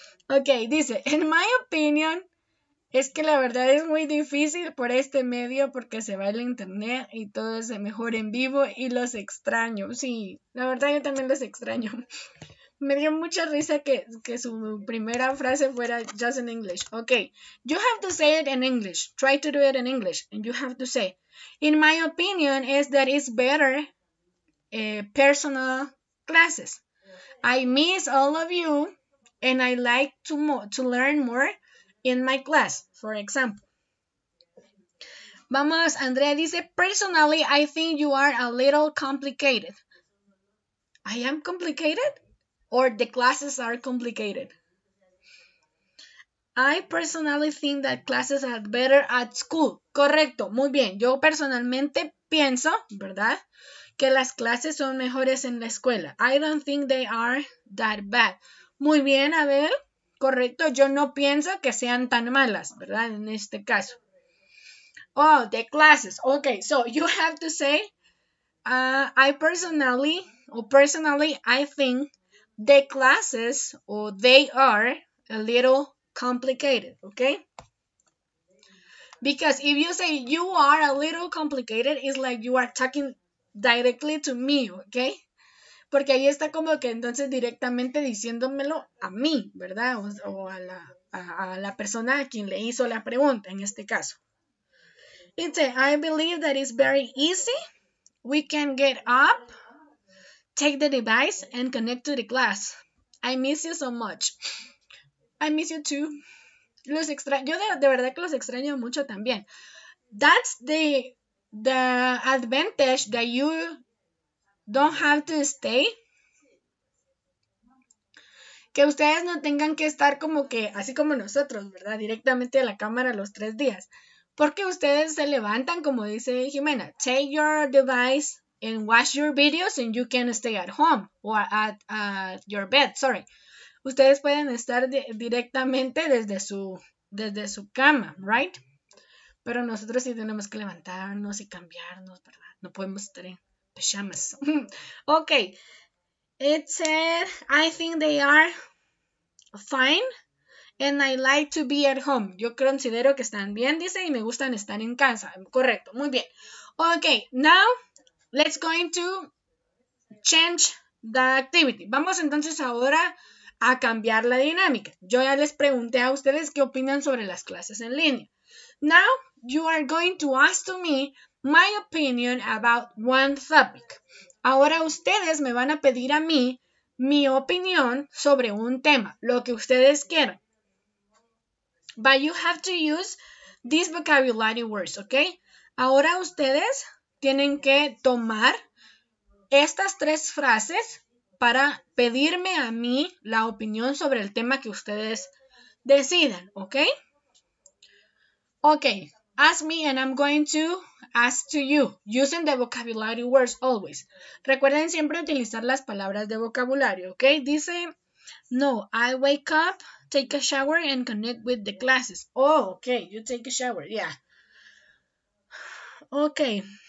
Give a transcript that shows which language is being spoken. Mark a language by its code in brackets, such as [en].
[es] Okay, dice, [en] in my opinion, [es] es que la verdad es muy difícil por este medio porque se va el internet y todo es mejor en vivo y los extraño. Sí, la verdad yo también los extraño. Me dio mucha risa que su primera frase fuera [en] just in English. Okay, you have to say it in English. Try to do it in English. And you have to say, in my opinion, is that it's better... personal classes. I miss all of you and I like to learn more in my class, for example. [es] Vamos, Andrea dice, [en] personally, I think you are a little complicated. I am complicated? Or the classes are complicated? I personally think that classes are better at school. [es] Correcto, muy bien. Yo personalmente pienso, ¿verdad?, que las clases son mejores en la escuela. [en] I don't think they are that bad. [es] Muy bien, Abel. Correcto. Yo no pienso que sean tan malas, ¿verdad? En este caso. [en] Oh, the classes. Okay, so you have to say, personally, I think the classes, or they are a little complicated, okay? Because if you say you are a little complicated, it's like you are talking directly to me, ¿ok? [es] Porque ahí está como que entonces directamente diciéndomelo a mí, ¿verdad? O a la persona a quien le hizo la pregunta, en este caso. [en] It says, I believe that it's very easy. We can get up, take the device, and connect to the class. I miss you so much. I miss you too. [es] Los extraño. Yo de verdad que los extraño mucho también. [en] That's the advantage that you don't have to stay, [es] que ustedes no tengan que estar como que así como nosotros, ¿verdad?, directamente a la cámara los 3 días, porque ustedes se levantan, como dice Jimena, [en] take your device and watch your videos and you can stay at home or at your bed, sorry. [es] Ustedes pueden estar directamente desde su cama, right? Pero nosotros sí tenemos que levantarnos y cambiarnos, ¿verdad? No podemos estar en pijamas. Ok. [en] It said, I think they are fine and I like to be at home. [es] Yo considero que están bien, dice, y me gustan estar en casa. Correcto, muy bien. [en] Ok, now let's going to change the activity. [es] Vamos entonces ahora a cambiar la dinámica. Yo ya les pregunté a ustedes qué opinan sobre las clases en línea. [en] Now, you are going to ask to me my opinion about one topic. [es] Ahora ustedes me van a pedir a mí mi opinión sobre un tema, lo que ustedes quieran. [en] But you have to use these vocabulary words, okay? [es] Ahora ustedes tienen que tomar estas 3 frases para pedirme a mí la opinión sobre el tema que ustedes decidan, okay? [en] Okay, ask me and I'm going to ask to you, using the vocabulary words always. [es] Recuerden siempre utilizar las palabras de vocabulario, okay? Dice, no, [en] I wake up, take a shower and connect with the classes. Oh, okay, you take a shower, yeah. Okay.